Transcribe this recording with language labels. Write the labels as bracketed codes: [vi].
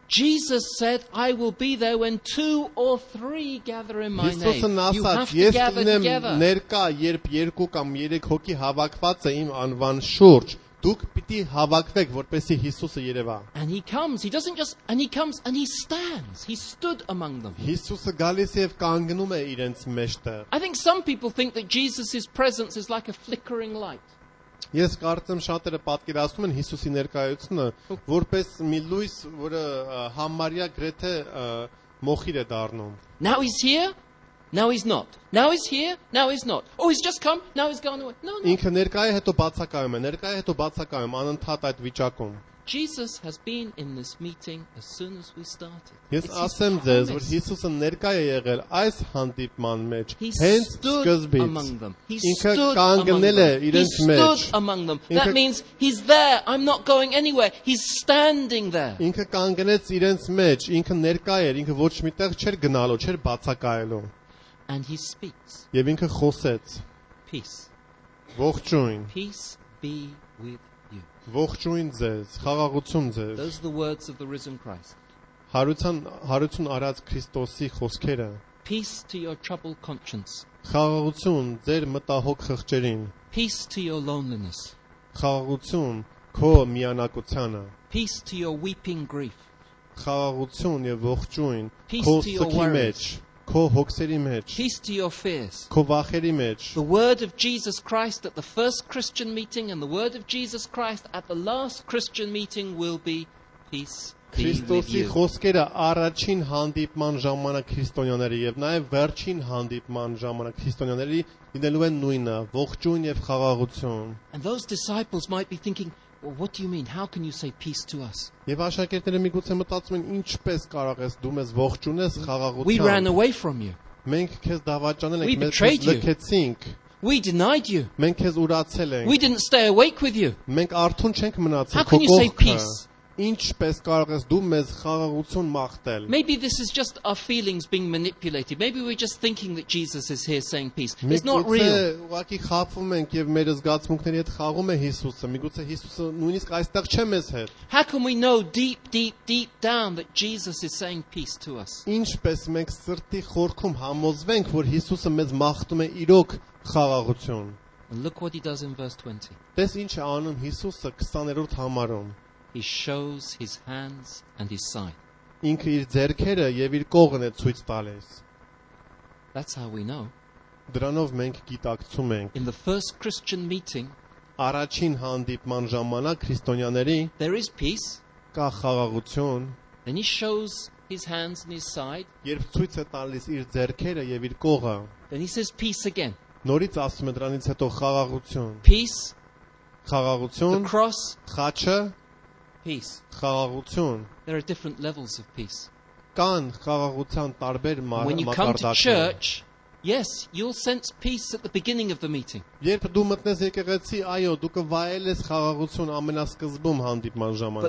[en] Jesus said, I will be there when two or three gather in my name. [hy] Հիսուսը ասաց, ես կլինեմ ներկա, երբ երկու կամ երեք հոգի հավաքված է իմ անվան շուրջ. Դուք պիտի հավաքվեք, որպեսզի Հիսուսը երևա։ [en] And he comes, he doesn't just and he comes and he stands. He stood among them. [hy] Հիսուսը գալիս եւ կանգնում է իրենց մեջտը։ [en] I think some people think that Jesus's presence is like a flickering light. [hy] Ես կարծեմ շատերը պատկերացնում են Հիսուսի ներկայությունը որպես մի լույս, որը համարյա գրեթե մոխիր է դառնում։ [en] Now he's here. Now he's not. Now he's here. Now he's not. Oh, he's just come. Now he's gone away. No, no. [hy] Ինքը ներկայ է, հետո բացակայում է, ներկայ է, հետո բացակայում, անընդհատ այդ վիճակում. [en] Jesus has been in this meeting as soon as we started. [hy] Ես ասեմ ձեզ, որ Հիսուսը ներկայ է եղել այս հանդիպման մեջ, հենց սկզբից. Ինքը կանգնել է իրենց մեջ. [en] He stood among them. That means he's there. I'm not going anywhere. He's standing there. [hy] Ինքը կանգնեց իրենց մեջ, ինքը ներկայ էր, ինքը ոչ միտեղ չէր գնալու, չէր բացակայելու. [en] And he speaks. [hy] Եվ ինքը խոսեց. [en] Peace. [hy] Ողջույն. [en] Peace be with you. [hy] Ողջույն ձեզ, խաղաղություն ձեզ. [en] Those are the words of the risen Christ. [hy] Հարություն արած Քրիստոսի խոսքերը. [en] Peace to your troubled conscience. [hy] Խաղաղություն ձեր մտահոգ խղճերին. [en] Peace to your loneliness. [hy] Խաղաղություն քո միանակությանը. [en] Peace to your weeping grief. [hy] Խաղաղություն եւ ողջույն քո սրտի մեջ. Քո հոգսերի մեջ, քո վախերի մեջ, [en] the word of Jesus Christ at the first Christian meeting and the word of Jesus Christ at the last Christian meeting will be peace. [hy] Քրիստոսի խոսքերը առաջին հանդիպման ժամանակ քրիստոնյաների եւ նաեւ վերջին հանդիպման ժամանակ քրիստոնյաների դինելու են նույնը, ողջույն եւ խաղաղություն. [en] And those disciples might be thinking, well, what do you mean? How can you say peace to us? [hy] Եվ աշակերտները միգուցե մտածում են, ինչպես կարող ես դու մեզ ողջունես խաղաղությամբ. [en] We ran away from you. [hy] Մենք քեզ դավաճանել ենք, մեզ լքեցինք. [en] We denied you. [hy] Մենք քեզ ուրացել ենք. [en] We didn't stay awake with you. [hy] Մենք արթուն չենք մնացել քո կողքը. [en] How can you say peace? [hy] Ինչպես կարող ես դու մեզ խաղաղություն մաղթել? [en] Maybe this is just our feelings being manipulated. Maybe we're just thinking that Jesus is here saying peace. It's not real. [hy] Մենք ուղղակի խաղվում ենք եւ մեր զգացմունքների հետ խաղում է Հիսուսը։ Միգուցե Հիսուսը նույնիսկ այստեղ չէ մեզ հետ։ [en] How can we know deep deep deep down that Jesus is saying peace to us? [hy] Ինչպես մենք սրտի խորքում համոզվենք, որ Հիսուսը մեզ մաղթում է իրոք խաղաղություն? [en] Look what he does in verse 20. [hy] Տես ինչ է անում Հիսուսը 20-րդ համարում։ [en] He shows his hands and his side. [hy] Ինքը իր ձեռքերը եւ իր կողնը ցույց տալիս. [en] That's how we know. [hy] Դրանով մենք գիտակցում ենք. [en] In the first Christian meeting, [hy] առաջին հանդիպման ժամանակ քրիստոնյաների, [en] there is peace. [hy] Կա խաղաղություն. [en] And he shows his hands and his side. [hy] Երբ ցույց է տալիս իր ձեռքերը եւ իր կողը. [en] Then he says peace again. [hy] Նորից ասում է դրանից հետո խաղաղություն. [en] Peace. [hy] Խաղաղություն. [en] The cross. [hy] Խաչը. [en] Peace. [hy] Խաղաղություն. [en] There are different levels of peace. [hy] Կան խաղաղության տարբեր մակարդակներ. [en] Yes, you'll sense peace at the beginning of the meeting. [hy] Երբ դու մտնես եկեղեցի, այո, դու կվայելես խաղաղություն ամենասկզբում հանդիպման ժամանակ.